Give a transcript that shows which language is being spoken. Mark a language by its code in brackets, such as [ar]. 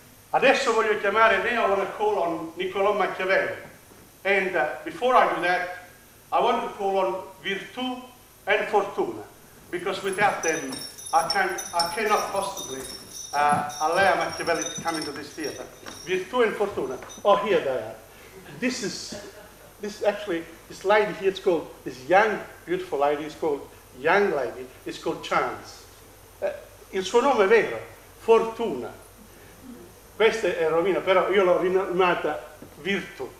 [it] Adesso voglio chiamare Leo Oracol on Niccolò Machiavelli. [en] And before I do that, I want to call on Virtù and Fortuna, because without them, I cannot possibly allow Machiavelli to come into this theatre. Virtù and Fortuna. Oh, here they are. This lady here, it's called, this young, beautiful lady, is called Young Lady, it's called Chance. [it] Il suo nome è vero, Fortuna. Questa è Romina, però io l'ho rinomata Virtù.